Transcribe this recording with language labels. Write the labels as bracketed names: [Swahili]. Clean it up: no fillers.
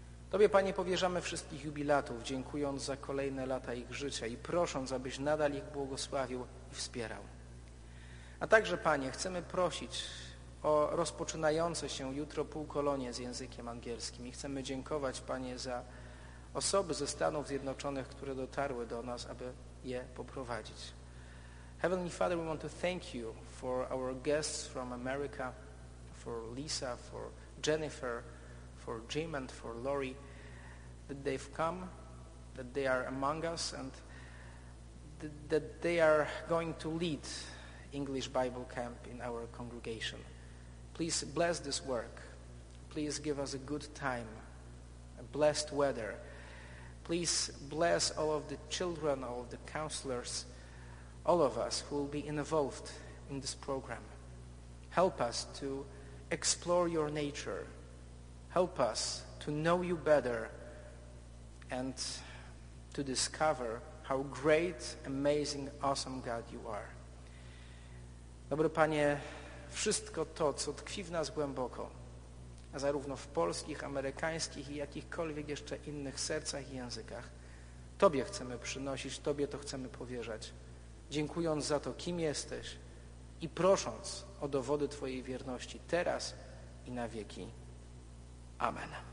[Polish] Tobie, Panie, powierzamy wszystkich jubilatów, dziękując za kolejne lata ich życia i prosząc, abyś nadal ich błogosławił i wspierał. A także, Panie, chcemy prosić o rozpoczynające się jutro półkolonie z językiem angielskim i chcemy dziękować, Panie, za osoby ze Stanów Zjednoczonych, które dotarły do nas, aby je poprowadzić. [English] Heavenly Father, we want to thank you for our guests from America, for Lisa, for Jennifer, for Jim and for Lori, that they've come, that they are among us, and that they are going to lead English Bible Camp in our congregation. Please bless this work. Please give us a good time, a blessed weather. Please bless all of the children, all of the counselors, all of us who will be involved in this program. Help us to explore your nature. Help us to know you better and to discover how great, amazing, awesome God you are. [Polish] Dobry Panie, wszystko to, co tkwi w nas głęboko, zarówno w polskich, amerykańskich i jakichkolwiek jeszcze innych sercach i językach, Tobie chcemy przynosić, Tobie to chcemy powierzać, dziękując za to, kim jesteś i prosząc o dowody Twojej wierności teraz i na wieki. Amen.